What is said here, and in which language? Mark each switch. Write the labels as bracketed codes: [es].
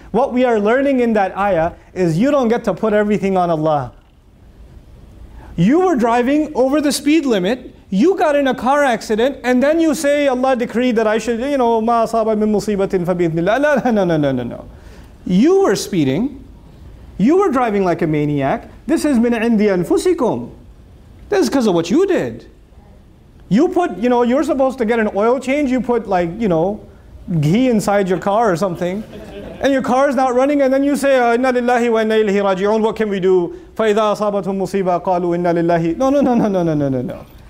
[en] What we are learning in that ayah is you don't get to put everything on Allah. You were driving over the speed limit, you got in a car accident, and then you say, Allah decreed that I should, you know, [ar] مَا أَصَابَ مِن مُصِيبَةٍ فَبِإِذْنِ اللَّهِ. [en] No, no, no, no, no. You were speeding. You were driving like a maniac. This is [ar] مِنْ عِنْدِ أَنفُسِكُمْ. [en] This is because of what you did. You put, you know, you're supposed to get an oil change. You put, like, you know, ghee inside your car or something. And your car is not running, and then you say, [ar] إِنَّ لِلَّهِ وَإِنَّ إِلَيْهِ رَاجِعُونَ. [en] What can we do? [ar] فَإِذَا أَصَابَتْهُم مُصِيبَةٌ قَالُوا إِنَّ لِلَّهِ. [en] No, no, no, no, no, no, no, no, no.